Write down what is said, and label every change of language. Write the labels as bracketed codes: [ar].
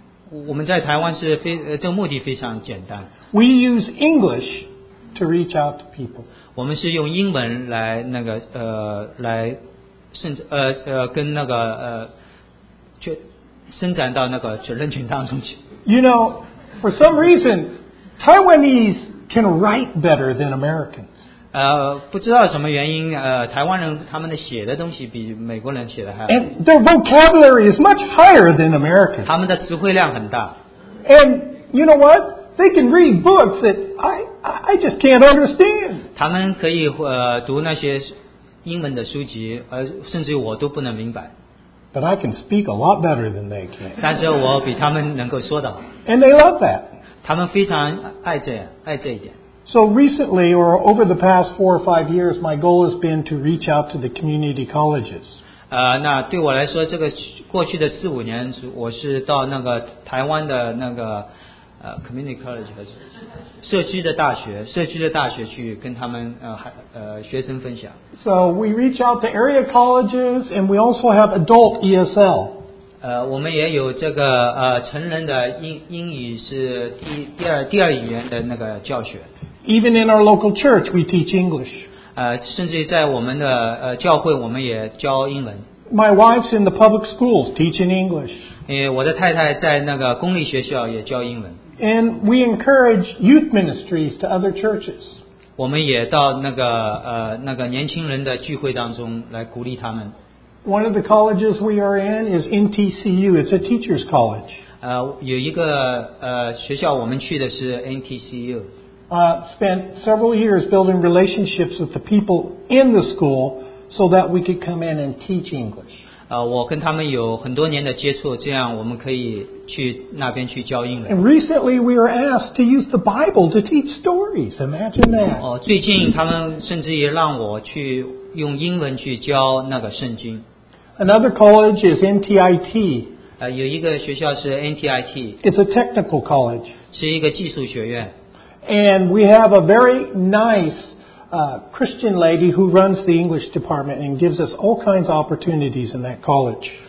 [zh] 我们在台湾是这个目的非常简单。 [en] We use English. To reach out to people. [zh] 我们是用英文来那个来伸跟那个去伸展到那个人群当中去。 [en] You know, for some reason, Taiwanese can write better than Americans. [zh] 不知道什么原因台湾人他们的写的东西比美国人写的还好。 [en] And their vocabulary is much higher than Americans. [zh] 他们的词汇量很大。 [en] And you know what? They can read books that I just can't understand. [zh] 他们可以读那些英文的书籍，甚至我都不能明白。 [en] But I can speak a lot better than they can. [zh] 但是我比他们能够说得好。 [en] And they love that. [zh] 他们非常爱这一点。 [en] So recently, or over the past 4 or 5 years, my goal has been to reach out to the community colleges. [zh] 那对我来说，这个过去的四五年，我是到那个台湾的那个community college 社区的大学去跟他们学生分享。 [en] So we reach out to area colleges, and we also have adult ESL. [zh] 我们也有这个成人的英语是第二语言的那个教学。 [en] Even in our local church, we teach English. [zh] 甚至在我们的教会，我们也教英文。 [en] My wife's in the public schools teaching English. [zh] 我的太太在那个公立学校也教英文。 [en] And we encourage youth ministries to other churches. [zh] 我们也到那个年轻人的聚会当中来鼓励他们。 [en] One of the colleges we are in is NTCU. It's a teacher's college. [zh] 有一个学校我们去的是 NTCU。 [en] Spent several years building relationships with the people in the school so that we could come in and teach English. [zh] 我跟他们有很多年的接触，这样我们可以去那边去教英文。 [en] And recently we were asked to use the Bible to teach stories. Imagine that. [zh] 最近他们甚至也让我去用英文去教那个圣经。 [en] Another college is NTIT. [zh] 有一个学校是 NTIT. [en] It's a technical college. [zh] 是一个技术学院。 [en] And we have a very nice Christian lady who runs the English department and gives us all kinds of opportunities in that college.